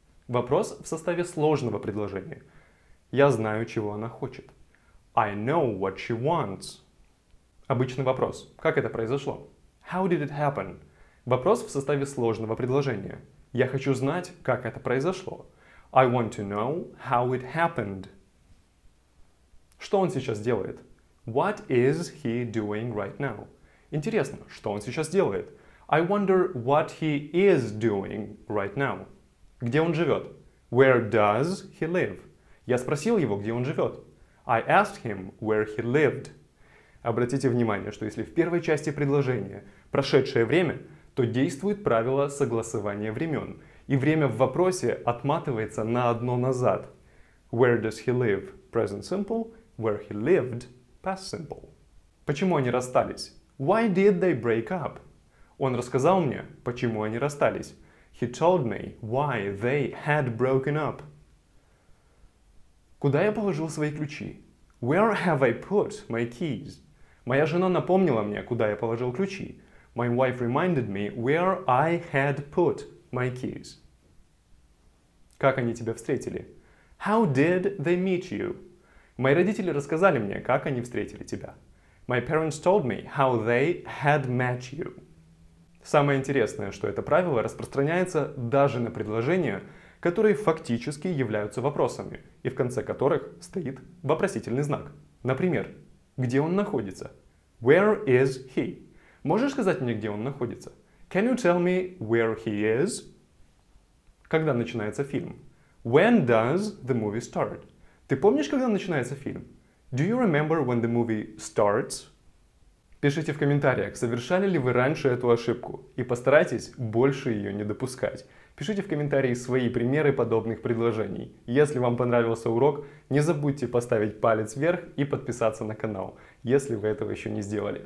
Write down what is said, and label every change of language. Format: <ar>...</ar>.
<ru>Вопрос в составе сложного предложения. Я знаю, чего она хочет.</ru> <en>I know what she wants.</en> <ru>Обычный вопрос. Как это произошло?</ru> <en>How did it happen?</en> <ru>Вопрос в составе сложного предложения. Я хочу знать, как это произошло.</ru> <en>I want to know how it happened.</en> <ru>Что он сейчас делает?</ru> <en>What is he doing right now?</en> <ru>Интересно, что он сейчас делает?</ru> <en>I wonder what he is doing right now.</en> <ru>Где он живет?</ru> <en>Where does he live?</en> <ru>Я спросил его, где он живет.</ru> <en>I asked him where he lived.</en> <ru>Обратите внимание, что если в первой части предложения прошедшее время, то действует правило согласования времен, и время в вопросе отматывается на одно назад.</ru> <en>Where does he live? Present simple. Where he lived? Past simple.</en> <ru>Почему они расстались?</ru> <en>Why did they break up?</en> <ru>Он рассказал мне, почему они расстались.</ru> <en>He told me why they had broken up.</en> <ru>Куда я положил свои ключи?</ru> <en>Where have I put my keys?</en> <ru>Моя жена напомнила мне, куда я положил ключи.</ru> <en>My wife reminded me where I had put my keys.</en> <ru>Как они тебя встретили?</ru> <en>How did they meet you?</en> <ru>Мои родители рассказали мне, как они встретили тебя.</ru> <en>My parents told me how they had met you.</en> <ru>Самое интересное, что это правило распространяется даже на предложения, которые фактически являются вопросами, и в конце которых стоит вопросительный знак. Например, где он находится?</ru> <en>Where is he?</en> <ru>Можешь сказать мне, где он находится?</ru> <en>Can you tell me where he is?</en> <ru>Когда начинается фильм?</ru> <en>When does the movie start?</en> <ru>Ты помнишь, когда начинается фильм?</ru> <en>Do you remember when the movie starts?</en> <ru>Пишите в комментариях, совершали ли вы раньше эту ошибку, и постарайтесь больше ее не допускать. Пишите в комментарии свои примеры подобных предложений. Если вам понравился урок, не забудьте поставить палец вверх и подписаться на канал, если вы этого еще не сделали.</ru>